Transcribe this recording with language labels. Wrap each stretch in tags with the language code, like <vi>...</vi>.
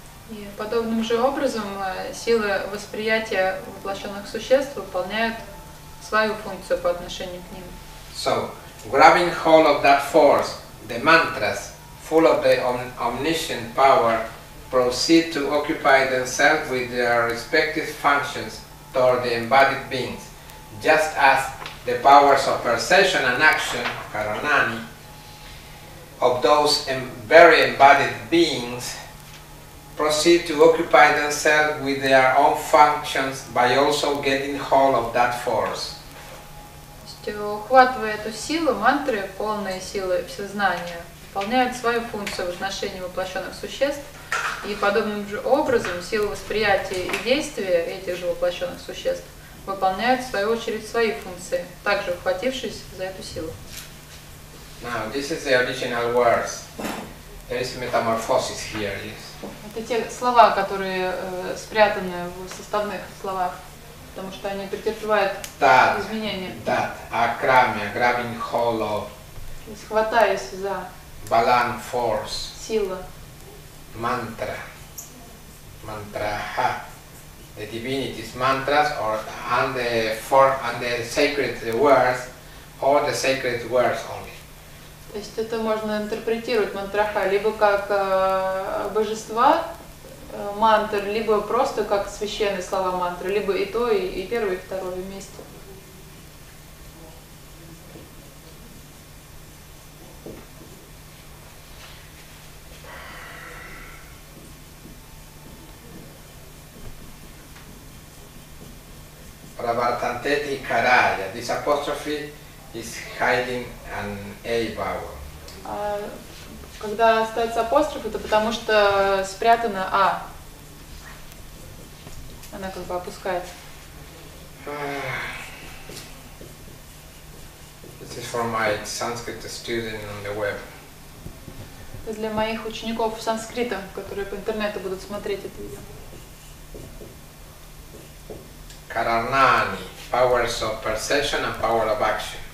<ru>И подобным же образом силы восприятия воплощенных существ выполняют свою функцию по отношению к ним.</ru> <en>So, grabbing hold of that force, the mantras, full of the omniscient power, proceed to occupy themselves with their respective functions toward the embodied beings, just as the powers of perception and action, Karanani, of those very embodied beings proceed to occupy themselves with their own functions by also getting hold of that force.</en> <ru>Ухватывая эту силу, мантры, полные силы всезнания, выполняют свою функцию в отношении воплощенных существ, и подобным же образом силы восприятия и действия этих же воплощенных существ выполняют в свою очередь свои функции, также ухватившись за эту силу.</ru> <en>Now, this is the original words. There is metamorphosis here, yes.</en> <ru>Это те слова, которые спрятаны в составных словах, потому что они претерпевают</ru> <en>that,</en> <ru>изменения.</ru> <en>That, Akramya, grabbing hold of.</en> <ru>Схватаясь за.</ru> <en>Balan force.</en> <ru>Сила.</ru> <sa>Mantra. Mantraha.</sa> <en>The divinities, mantras, or and the for and the sacred words, or the sacred words only.</en> <ru>То есть это можно интерпретировать мантраха либо как божества, мантр, либо просто как священные слова мантры, либо и то, и первое, и второе вместе.</ru> <sa>Pravartanteti karaya.</sa> <en>This apostrophe is hiding an A vowel.</en> <ru>Когда ставится апостроф, это потому что спрятана А. Она как бы опускается.</ru> <en>This is for my Sanskrit student on the web.</en> <ru>Это для моих учеников санскрита, которые по интернету будут смотреть это видео.</ru> <en>Karanani, powers of perception and power of action.</en>